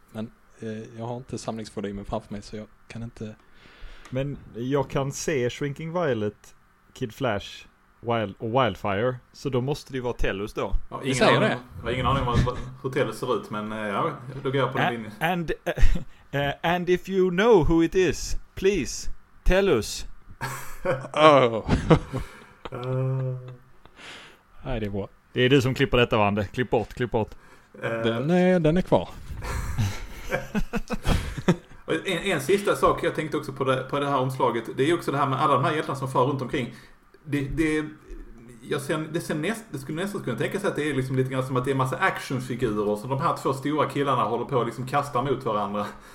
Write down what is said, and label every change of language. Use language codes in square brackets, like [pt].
[sv] Men jag har inte samlingsvolymen framför mig, så jag kan inte. Men jag kan se Shrinking Violet, Kid Flash och Wildfire, så då måste det ju vara Tellus då. Ja, ingen aning om hur Tellus ser ut, men ja, då går jag på den linjen. [en] And if you know who it is, please, Tellus. [sv] Oh. Nej, det är bra. Det är du som klipper detta, Vande. Klipp bort. Den är kvar. en sista sak jag tänkte också på det här omslaget. Det är också det här med alla de här hjältarna som far runt omkring. Det skulle nästan kunna tänka sig att det är liksom lite grann som att det är en massa actionfigurer som de här två stora killarna håller på att liksom kasta mot varandra.